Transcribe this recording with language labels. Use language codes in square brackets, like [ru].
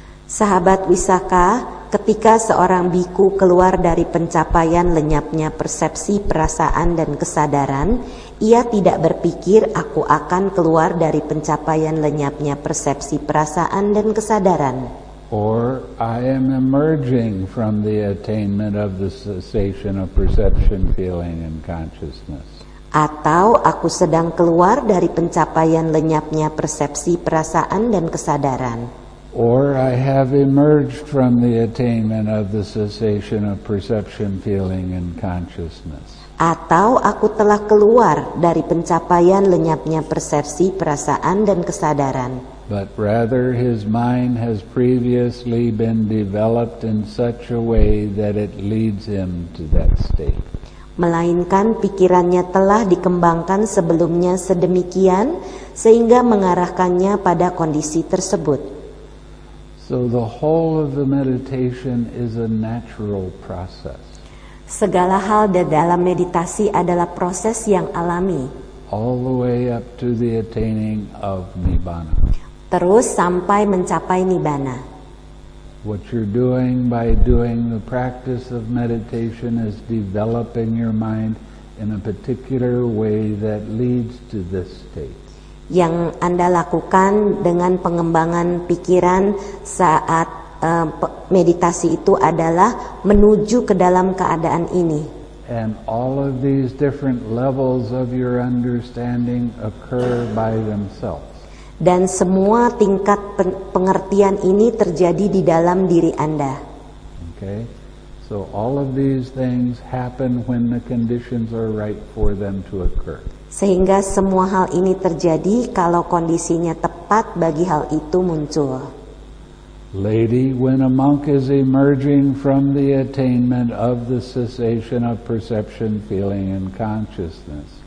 [id] Sahabat Visakha, ketika seorang bhikkhu keluar dari pencapaian lenyapnya persepsi, perasaan, dan kesadaran, ia tidak berpikir aku akan keluar dari pencapaian lenyapnya persepsi, perasaan, dan kesadaran. [en] Or I am emerging from the attainment of the cessation of perception, feeling, and consciousness. [id] Atau aku sedang keluar dari pencapaian lenyapnya persepsi, perasaan, dan kesadaran. [en] Or I have emerged from the attainment of the cessation of perception, feeling, and consciousness. [id] Atau aku telah keluar dari pencapaian lenyapnya persepsi, perasaan, dan kesadaran. [en] But rather his mind has previously been developed in such a way that it leads him to that state. [id] Melainkan pikirannya telah dikembangkan sebelumnya sedemikian sehingga mengarahkannya pada kondisi tersebut. [en] So the whole of the meditation is a natural process. [id] Segala hal di dalam meditasi adalah proses yang alami. [en] All the way up to the attaining of Nibbana. [id] Terus sampai mencapai Nibbana. [en] What you're doing by doing the practice of meditation is developing your mind in a particular way that leads to this state. [id] Yang Anda lakukan dengan pengembangan pikiran saat meditasi itu adalah menuju ke dalam keadaan ini. [en] And all of these different levels of your understanding occur by themselves. [id] Dan semua tingkat pengertian ini terjadi di dalam diri Anda. [en] Okay. So all of these things happen when the conditions are right for them to occur. [id] Sehingga semua hal ini terjadi kalau kondisinya tepat bagi hal itu muncul. [en] Lady, when a monk is emerging from the attainment of the cessation of perception, feeling, and consciousness.